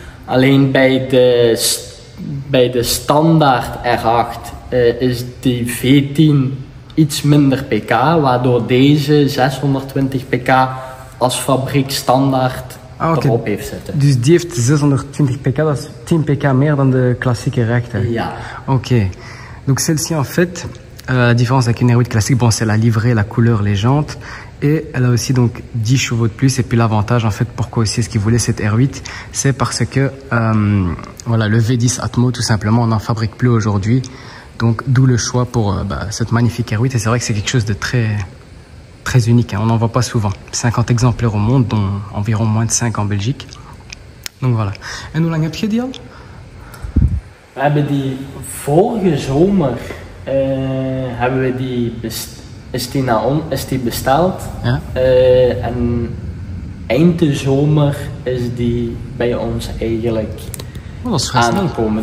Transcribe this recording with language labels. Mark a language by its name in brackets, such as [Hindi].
[Dutch] Alleen bij de standaard R8 is die V10... iets minder pk, waardoor deze 620 pk als fabriek standaard erop heeft zitten. Dus die heeft 620 pk, dat is 10 pk meer dan de klassieke R8. Ja. Oké. [French] Donc celle-ci en fait, la différence avec une R8 classique, bon, c'est la livrée, la couleur, les jantes, et elle a aussi donc 10 chevaux de plus. Et puis l'avantage en fait, pourquoi aussi est-ce qu'ils voulaient cette R8, c'est parce que voilà, le V10 Atmo, tout simplement, on n'en fabrique plus aujourd'hui. Donc d'où le choix pour cette magnifique R8 et c'est vrai que c'est quelque chose de très, très unique, hein. On n'en voit pas souvent. 50 exemplaires au monde, dont environ moins de 5 en Belgique. Donc voilà. [Dutch] En hoe lang heb je die al? We hebben die vorige zomer, hebben we die besteld. Ja? En eind de zomer is die bij ons eigenlijk... aangekomen.